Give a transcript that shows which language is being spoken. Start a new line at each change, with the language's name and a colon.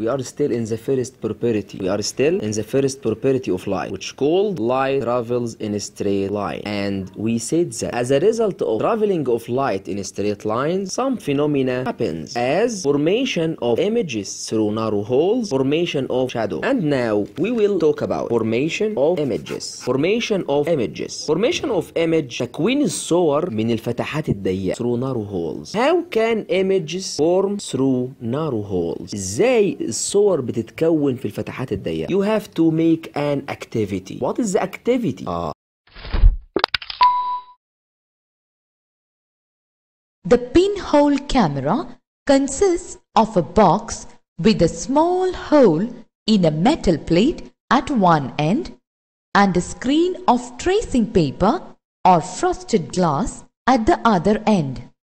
English: We are still in the first property. We are still in the first property of light, which called light travels in a straight line. And we said that as a result of traveling of light in a straight line, some phenomena happens, as formation of images through narrow holes, formation of shadow. And now we will talk about formation of images. Formation of image.
Arabic: تكوين الصور من الفتحات الضيقة
English: through narrow holes. How can images form through narrow holes?
Arabic: ازاي الصور بتتكون في الفتحات الضيقة?
English: You have to make an activity. What is the activity? The pinhole camera consists of a box with a small hole in a metal plate at one end and a screen of tracing paper or frosted glass at the other end.